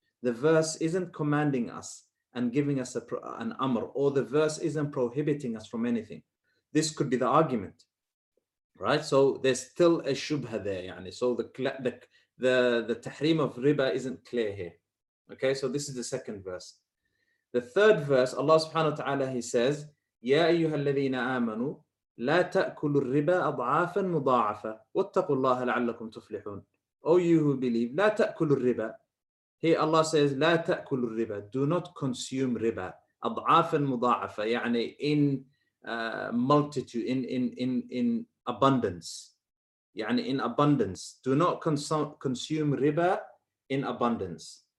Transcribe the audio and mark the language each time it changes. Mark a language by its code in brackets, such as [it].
[en] The verse isn't commanding us and giving us an amr, or the verse isn't prohibiting us from anything. This could be the argument, right? So there's still a shubha there. [ar] يعني. [en] So the tahrim of riba isn't clear here. Okay, so this is the second verse. The third verse, Allah subhanahu wa ta'ala, he says, [ar] يَا أَيُّهَا الَّذِينَ آمَنُوا لَا تَأْكُلُوا الرِّبَا أَضْعَافًا مُضَاعَفًا وَاتَّقُوا اللَّهَ لَعَلَّكُمْ تُفْلِحُونَ. [en] O you who believe, [ar] لَا تَأْكُلُوا الرِّبَا. [en] Here Allah says, [ar] لَا تَأْكُلُوا الرِّبَا. [en] Do not consume riba. [ar] أَضْعَافًا مُضَاعَفًا. [en] يعني in multitude, in abundance. يعني in abundance. Do not consume riba in abundance.